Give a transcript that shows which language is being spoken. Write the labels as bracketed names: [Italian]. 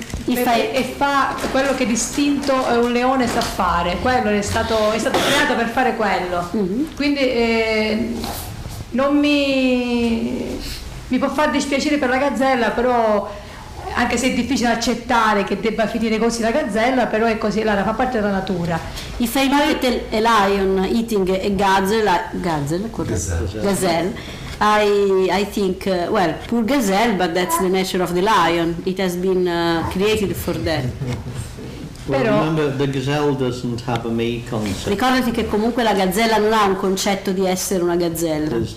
[Italian] E fa quello che d'istinto un leone sa fare. Quello è stato creato per fare quello. Mm-hmm. Quindi non mi può far dispiacere per la gazzella, però... anche se è difficile accettare che debba finire così la gazzella, però è così, la fa parte della natura. [English] If I look at a lion eating a gazelle, I think, well, poor gazelle, but that's the nature of the lion. It has been created for that. Però, remember, the gazelle doesn't have a me concept. [Italian] Ricordati che comunque la gazzella non ha un concetto di essere una gazzella.